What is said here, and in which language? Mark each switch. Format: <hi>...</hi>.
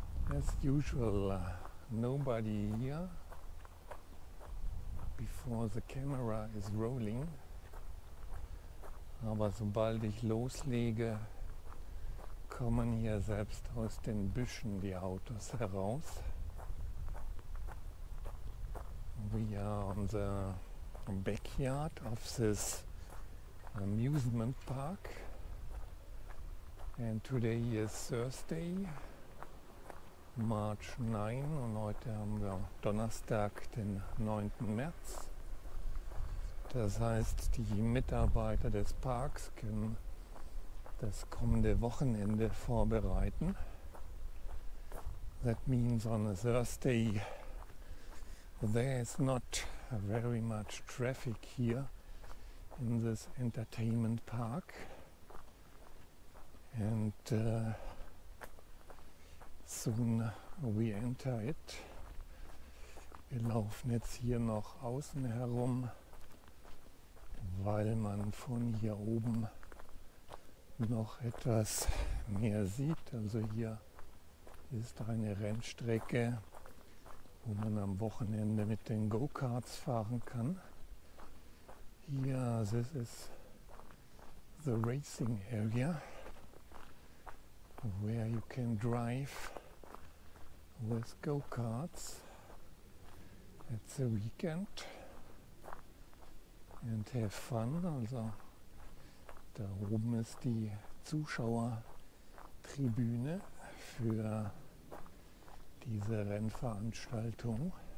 <en>As usual, nobody here before the camera is rolling.</en> <de>Aber sobald ich loslege, kommen hier selbst aus den Büschen die Autos heraus.</de> <en>We are on the backyard of this amusement park. And today is Thursday, March 9.</en> <de>Und heute haben wir Donnerstag, den 9. März. Das heißt, die Mitarbeiter des Parks können das kommende Wochenende vorbereiten.</de> <en>That means on a Thursday there is not very much traffic here in this entertainment park. And soon we enter it.</en> <de>Wir laufen jetzt hier noch außen herum, weil man von hier oben noch etwas mehr sieht. Also hier ist eine Rennstrecke, wo man am Wochenende mit den Go-Karts fahren kann.</de> <en>Hier, this is the racing area, where you can drive with Go-Karts at the weekend and have fun.</en> <de>Also da oben ist die Zuschauertribüne für diese Rennveranstaltung.</de>